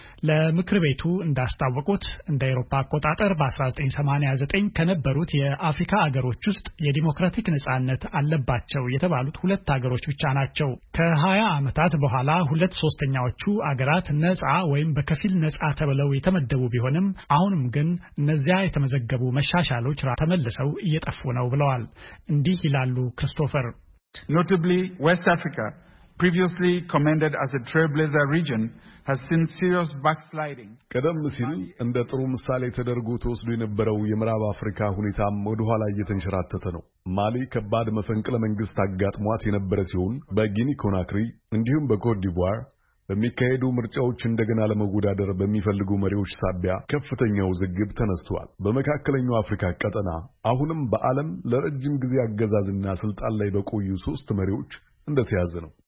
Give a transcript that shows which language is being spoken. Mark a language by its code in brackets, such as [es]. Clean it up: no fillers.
[am] ለምክር ቤቱ እንዳስታወቁት እንደ አውሮፓ አቆጣጠር በ1989 ከነበሩት የአፍሪካ አገሮች ውስጥ የዲሞክራቲክ ነጻነት አለባቸው የተባሉት 2 አገሮች ብቻ ናቸው። ከ20 ዓመታት በኋላ 2/3ኛዎቹ አገራት ነጻ ወይም በከፊል ነጻ ተብለው የተመደቡ ቢሆንም አሁንም ግን እነዚያ የተመዘገቡ መሻሻሎች ተመልሰው እየጠፉ ነው ብለዋል። እንዲህ ይላሉ ክርስቶፈር። [en] Notably, West Africa, previously commended as a trailblazer region, has seen serious backsliding. [am] ቀደም ሲል እንደ ጥሩ ምሳሌ ተደርጎ ተወስዶ የነበረው የምዕራብ አፍሪካ ሁኔታ ወደ ኋላ እየተንሸራተተ ነው። ማሊ ከባድ መፈንቅለ መንግስት አጋጥሟት የነበረ ሲሆን በጊኒ ኮናክሪ እንዲሁም በኮትዲቯር በሚካሄዱ ምርጫዎች እንደገና ለመጎዳደር በሚፈልጉ መሪዎች ሳቢያ ከፍተኛው ዝግብ ተነስተዋል። በመካከለኛው አፍሪካ ቀጠና አሁንም በዓለም ለረጅም ጊዜ አገዛዝና ስልጣን ላይ በቆዩ 3 መሪዎች እንደተያዘ ነው።